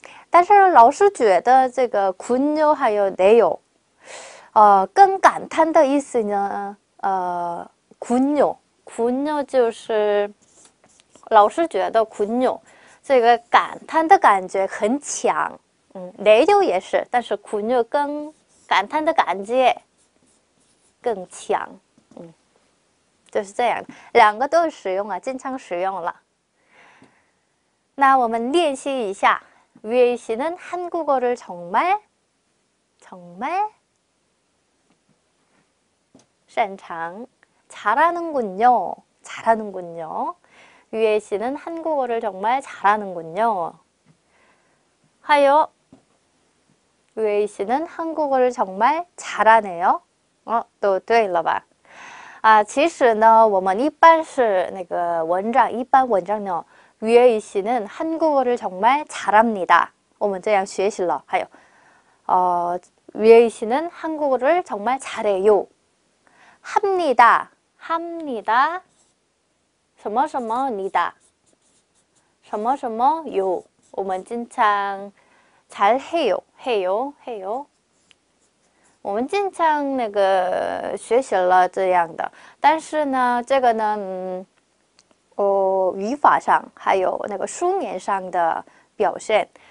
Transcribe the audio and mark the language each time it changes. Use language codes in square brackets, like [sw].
[zh] 但是老师觉得这个"군요"还有"네요"，更感叹的意思呢，군요"就是老师觉得"군요"这个感叹的感觉很强，네요"也是，但是"군요"更感叹的感觉更强，就是这样，两个都使用啊，经常使用了。那我们练习一下。 [ko] 유에이 씨는 한국어를 정말 정말 [zh] 擅长 [ko] 잘하는군요. 잘하는군요. 유에이 씨는 한국어를 정말 잘하는군요. 하여 유에이 씨는 한국어를 정말 잘하네요. 또 되었나봐. [zh] 其实呢，我们一般是那个文章，一般文章呢， [ko] 유에이 씨는 한국어를 정말 잘합니다. [zh] 我们这样学习了，还有， [ko] 유에이 씨는 한국어를 정말 잘해요。 [zh] 합니다，합니다，什么什么니다，什么什么요，我们经常잘해요，해요，해요。我们经常那个学习了这样的，但是呢，这个呢，语法上还有那个书面上的表现。